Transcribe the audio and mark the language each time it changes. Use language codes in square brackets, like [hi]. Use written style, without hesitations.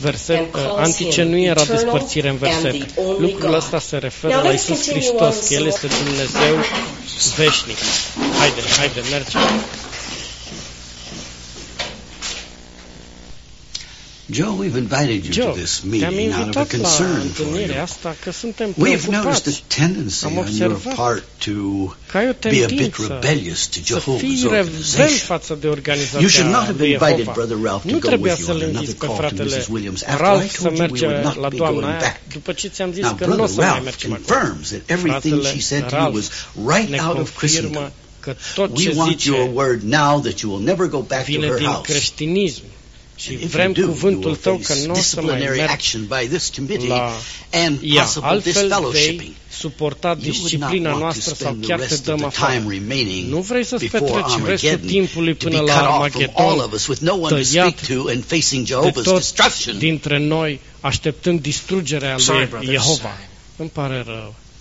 [en] verset, and calls him eternal and the only God. [ro] Lucrul ăsta se referă la Iisus Hristos, că El este Dumnezeu veșnic. Haide, haide, mergem. [en] Joe, we've invited you to this meeting out of a concern for you. We've noticed a tendency on your part to be a bit rebellious to Jehovah's organization. You should not have invited Brother Ralph to go with you on another call to Mrs. Williams after I told you we would not be going back. Now, Brother Ralph confirms that everything she said to you was right out of Christendom. We want your word now that you will never go back to her house. [ro] Și vrem cuvântul tău că nu o să mai mergi la ea, altfel vei suporta disciplina noastră sau chiar te dăm afară. Nu vrei să-ți petreci restul timpului până la Armageddon, tăiat de tot dintre noi, așteptând distrugerea lui Jehova. Îmi pare rău.